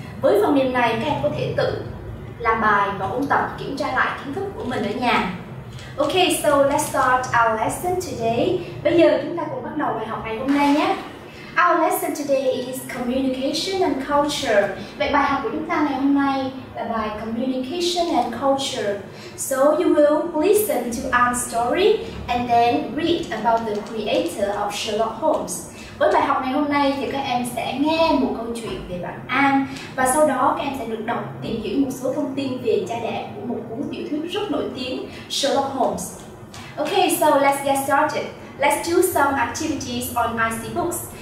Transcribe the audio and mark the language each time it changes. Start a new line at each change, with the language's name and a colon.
Vietnamese: Với phần mềm này, các em có thể tự làm bài và ôn tập kiểm tra lại kiến thức của mình ở nhà.
English: Okay, so let's start our lesson today.
Vietnamese: Bây giờ chúng ta cùng bắt đầu bài học ngày hôm nay nhé.
English: Our lesson today is communication and culture.
Vietnamese: Vậy bài học của chúng ta ngày hôm nay là bài communication and culture.
English: So you will listen to our story and then read about the creator of Sherlock Holmes.
Vietnamese: Với bài học ngày hôm nay thì các em sẽ nghe một câu chuyện về bạn An và sau đó các em sẽ được đọc tìm hiểu một số thông tin về cha đẻ của một cuốn tiểu thuyết rất nổi tiếng, Sherlock Holmes.
English: Okay, so let's get started. Let's do some activities on IC Books.